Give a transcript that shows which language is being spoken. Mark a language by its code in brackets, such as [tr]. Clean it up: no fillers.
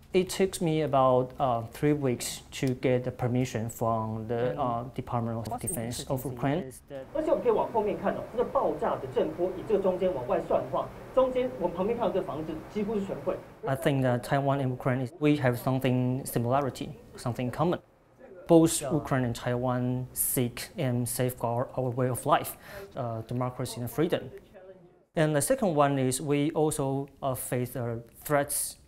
[en] It took me about 3 weeks to get the permission from the Department of Defense of Ukraine. [zh] 而且我们可以往后面看哦，这个爆炸的震波，以这个中间往外算的话，中间我们旁边看到这个房子几乎是全毁。 [en] I think that Taiwan and Ukraine, we have something similarity, something common. Both Ukraine and Taiwan seek and safeguard our way of life, democracy and freedom. And the second one is we also face threats